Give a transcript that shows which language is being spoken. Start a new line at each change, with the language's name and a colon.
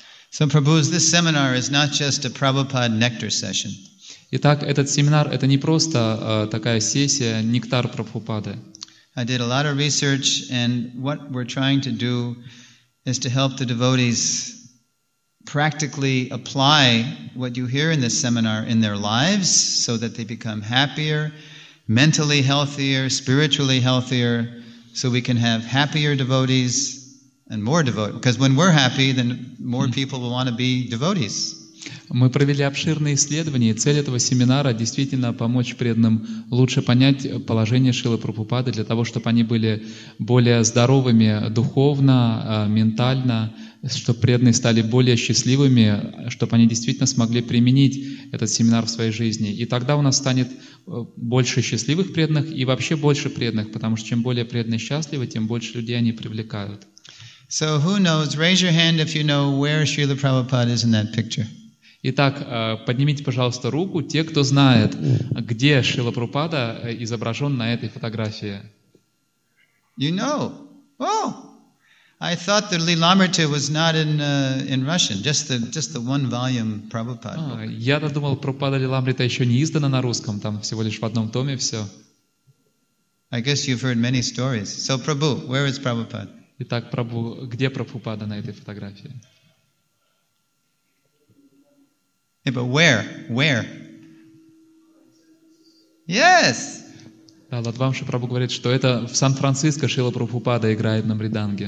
English: So Prabhu, this seminar is not just a Prabhupada nectar session.
Russian: Итак, этот семинар это не просто такая сессия нектар Прабхупады.
English: I did a lot of research and what we're trying to do is to help the devotees practically apply what you hear in this seminar in their lives so that they become happier, mentally healthier, spiritually healthier, so we can have happier devotees and more devotees. Because when we're happy, then more people will want to be devotees.
Russian: Мы провели обширные исследования, и цель этого семинара действительно помочь преданным лучше понять положение Шрилы Прабхупады для того, чтобы они были более здоровыми духовно, ментально, чтобы преданные стали более счастливыми, чтобы они действительно смогли применить этот семинар в своей жизни. И тогда у нас станет больше счастливых преданных и вообще больше преданных, потому что чем более преданные счастливы, тем больше людей они привлекают.
English: So who knows? Raise your hand if you know where Srila Prabhupada is in that picture.
Russian: Итак, поднимите, пожалуйста, руку те, кто знает, где Шрила Прабхупада изображен на этой фотографии.
English: You know? Oh! I thought the Lilamrita was not in in Russian, just the one volume Prabhupada.
Russian: Я додумал, Прабхупада Лиламрита еще не издана на русском, там всего лишь в одном томе все.
English: I guess you've heard many stories. So Prabhu, where is Prabhupada?
Russian: Итак, Прабху, где Прабхупада на этой фотографии?
English: Yeah, but where? Where? Yes.
Russian: Да, Ладвамши Прабху говорит, что это в Сан-Франциско Шрила Прабхупада играет на мриданге.